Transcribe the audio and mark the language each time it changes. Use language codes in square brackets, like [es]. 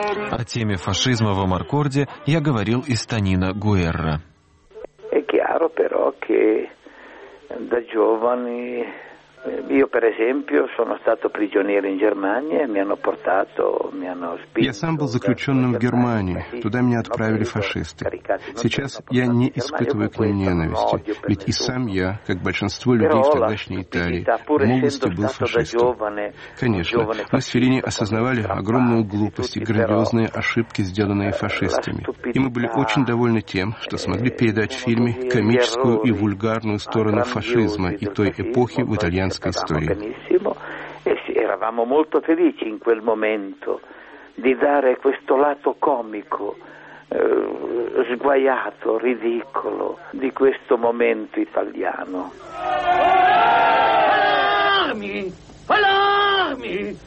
[ru] О теме фашизма в Маркорде я говорил из Танино Гуэрра. [it] È chiaro però che da giovani io per esempio sono stato prigioniero in Germania e mi hanno portato, mi hanno spinto. [ru] Я сам был заключенным в Германии, туда меня отправили фашисты. Сейчас я не испытываю к ним ненависти, ведь и сам я, как большинство людей в тогдашней Италии, в молодости был фашистом. Конечно, мы с Феллини осознавали огромную глупость и грандиозные ошибки, сделанные фашистами. И мы были очень довольны тем, что смогли передать в фильме комическую и вульгарную сторону фашизма и той эпохи в итальянской [it] benissimo e eravamo molto felici in quel momento di dare questo lato comico sguaiato ridicolo di questo momento italiano. Allarmi! Allarmi!